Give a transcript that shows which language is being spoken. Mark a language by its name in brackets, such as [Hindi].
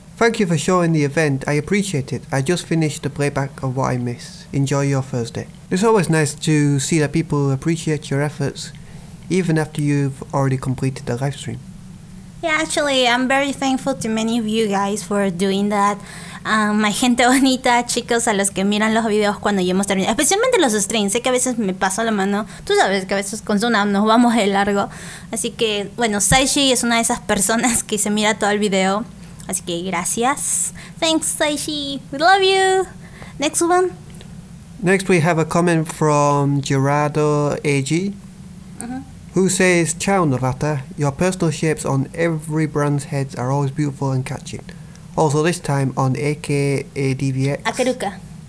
[English] Thank you for showing the event. I appreciate it. I just finished the playback of what I missed. Enjoy your Thursday. It's always nice to see that people appreciate your efforts, even after you've already completed the live stream. Yeah, actually, I'm very thankful to many of you guys for doing that. [Spanish] My gente bonita, chicos, a los que miran los videos cuando ya hemos terminado, especialmente los streams, sé que a veces me paso la mano, tú sabes que a veces con Zuna nos vamos de largo, así que, bueno, Saishi es una de esas personas que se mira todo el video, así que gracias. [English] Thanks, Saishi, we love you. Next one. Next we have a comment from Gerardo AG, who says, "Ciao, Novata, your personal shapes on every brand's heads are always beautiful and catchy. Also, this time on AKADVX. Akaruka.